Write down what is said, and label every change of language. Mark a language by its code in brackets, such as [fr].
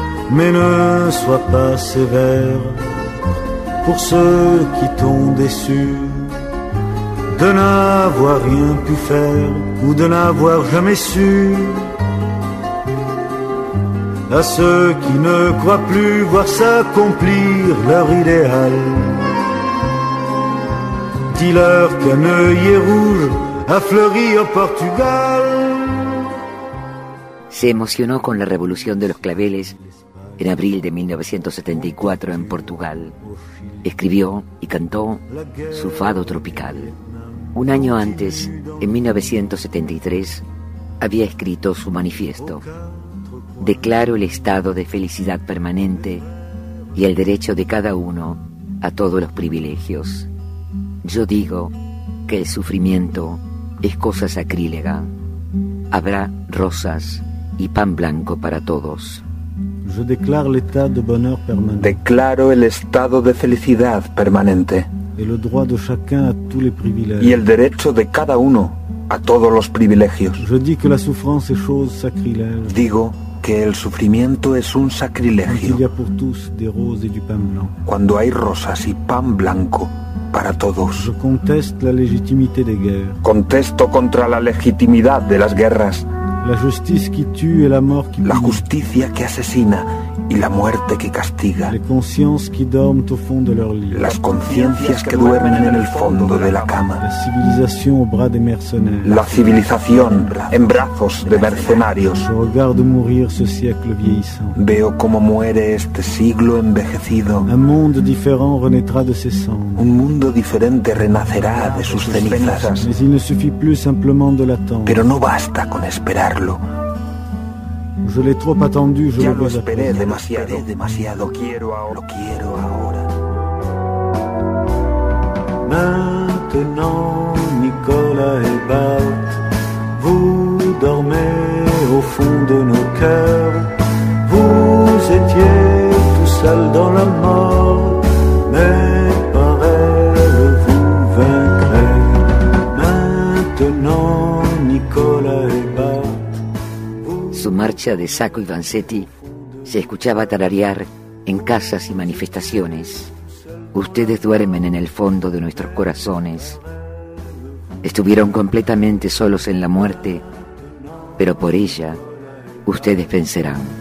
[fr] Mais ne sois pas sévère pour ceux qui t'ont déçu de n'avoir rien pu faire ou de n'avoir jamais su. À ceux qui ne croient plus voir s'accomplir leur idéal, dis-leur qu'un œillet rouge a fleuri au Portugal. [es] Se emocionó con la revolución de los claveles en abril de 1974 en Portugal. Escribió y cantó su fado tropical. Un año antes, en 1973, había escrito su manifiesto: declaro el estado de felicidad permanente y el derecho de cada uno a todos los privilegios. Yo digo que el sufrimiento es cosa sacrílega. Habrá rosas y pan blanco para todos. [fr] Je déclare l'état de bonheur permanent. [es] Declaro el estado de felicidad permanente. [fr] Et le droit de chacun à tous les privilèges. [es] Y el derecho de cada uno a todos los privilegios. [fr] Je dis que la souffrance est chose sacrilège. [es] Digo que el sufrimiento es un sacrilegio. [fr] Il y a pour tous des roses et du pain blanc. [es] Cuando hay rosas y pan blanco para todos. [fr] Je conteste la légitimité des guerres. [es] Contesto contra la legitimidad de las guerras. [fr] La justice qui tue et la mort qui... [es] La justicia que asesina y la muerte que castiga. [fr] Les consciences qui dorment au fond de leur lit. [es] Las conciencias que duermen en el fondo de la cama. La civilización [fr] au bras des mercenaires. [es] La civilización en brazos de mercenarios. [fr] Je regarde mourir ce siècle vieillissant. [es] Veo cómo muere este siglo envejecido. [fr] Un monde différent renaîtra de ses cendres. [es] Un mundo diferente renacerá de sus cenizas. [fr] Mais il ne suffit plus simplement de l'attendre. [es] Pero no basta con esperarlo. [fr] Je l'ai trop attendu, je [es] ya [fr] le vois. [es] Lo esperé demasiado. Lo quiero ahora. [fr] Maintenant, Nicolas et Bart, vous dormez au fond de nos cœurs. Vous étiez tout seul dans la mort, mais par elle vous vaincrez. Maintenant, Nicolas et Bart. [es] Su marcha de Sacco y Vanzetti se escuchaba tararear en casas y manifestaciones. Ustedes duermen en el fondo de nuestros corazones. Estuvieron completamente solos en la muerte, pero por ella ustedes vencerán.